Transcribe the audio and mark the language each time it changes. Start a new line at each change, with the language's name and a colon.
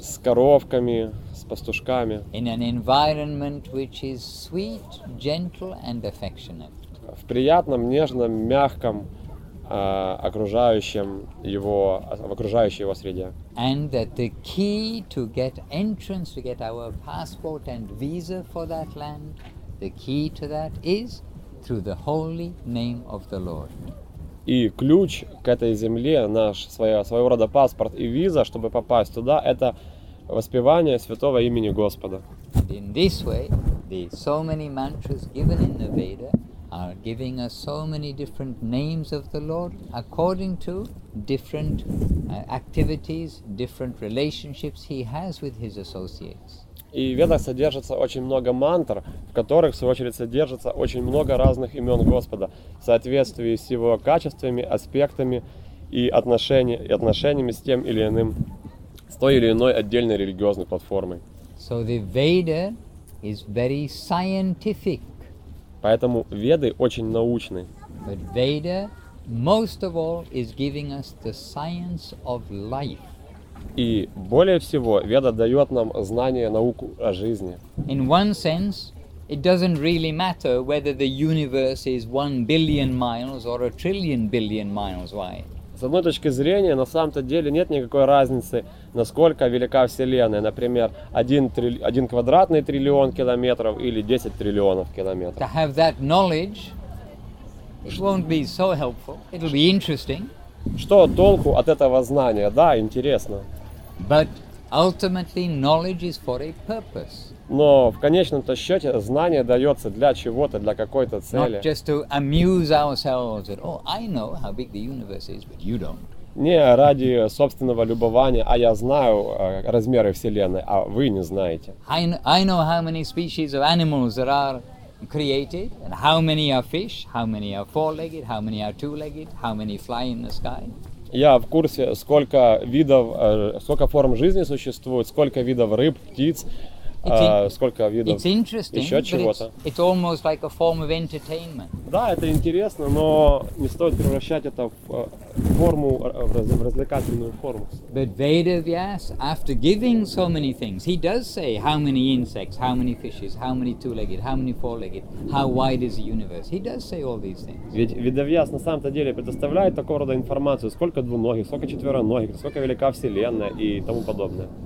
Russian: с коровками, с пастушками,
English: in an environment which is sweet, gentle and affectionate.
Russian: В приятном, нежном, мягком окружающем его, в окружающей его среде.
English: And that the key to get entrance, to get our passport and visa for that land, the key to that is through the holy name of the Lord.
Russian: И ключ к этой земле, наш своего рода паспорт и виза, чтобы попасть туда, это воспевание святого имени Господа.
English: And in this way, the so many mantras given in the Veda are giving us so many different names of the Lord according to different activities, different relationships He has with His associates.
Russian: И в Ведах содержится очень много мантр, в которых, в свою очередь, содержится очень много разных имен Господа в соответствии с Его качествами, аспектами и отношениями с тем или иным, с той или иной отдельной религиозной платформой.
English: So the Veda is very scientific.
Russian: Поэтому веды очень научны.
English: But Veda, most of all, is giving us the science of life.
Russian: И более всего веда дает нам знание, науку о жизни.
English: In one sense, it doesn't really matter whether the universe is 1 billion miles or 1 trillion billion miles wide.
Russian: С одной точки зрения, на самом-то деле нет никакой разницы, насколько велика Вселенная, например, 1 квадратный триллион километров или 10 триллионов километров.
English: To have that knowledge, it won't be so helpful. It'll be interesting.
Russian: Что толку от этого знания? Да, интересно.
English: But ultimately, knowledge is for a purpose.
Russian: Но в конечном-то счете знание дается для чего-то, для какой-то цели.
English: Not just to amuse ourselves that, oh, I know how big the universe is, but you don't.
Russian: Не ради собственного любования, а я знаю размеры Вселенной, а вы не знаете.
English: I know how many species of animals there are created, and how many are fish, how many are four-legged, how many are two-legged, how many fly in the sky.
Russian: Я в курсе, сколько видов, сколько форм жизни существует, сколько видов рыб, птиц, сколько видов еще чего-то.
English: It's almost like a form of entertainment.
Russian: Да, это интересно, но не стоит превращать это в форму, в развлекательную форму.
English: But Veda Vyas, after giving so many things, he does say how many insects, how many fishes, how many two-legged, how many four-legged, how wide is the universe. He does say all these things.
Russian: Ведь Веда Вьяс на самом-то деле предоставляет такого рода информацию, сколько двуногих, сколько четвероногих, сколько велика Вселенная и тому подобное.